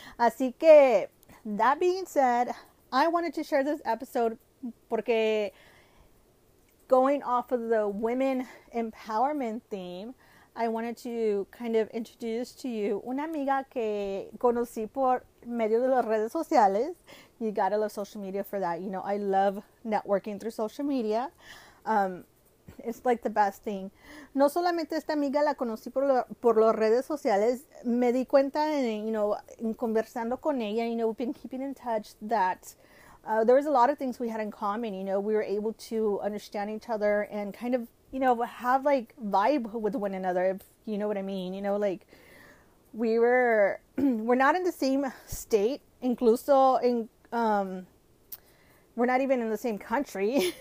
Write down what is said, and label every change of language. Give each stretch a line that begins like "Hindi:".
Spanish: Así que,
English: that being said, I wanted to share this episode
Spanish: porque
English: going off of the women empowerment theme, I wanted to kind of introduce to you
Spanish: una amiga que conocí por medio de las redes sociales.
English: You gotta love social media for that. You know, I love networking through social media. It's like the best thing.
Spanish: No solamente esta amiga la conocí por las redes sociales. Me di cuenta, en conversando con ella,
English: you know, we've been keeping in touch that there was a lot of things we had in common. You know, we were able to understand each other and kind of, you know, have like vibe with one another, if you know what I mean. You know, like we're not in the same state, incluso in, we're not even in the same country.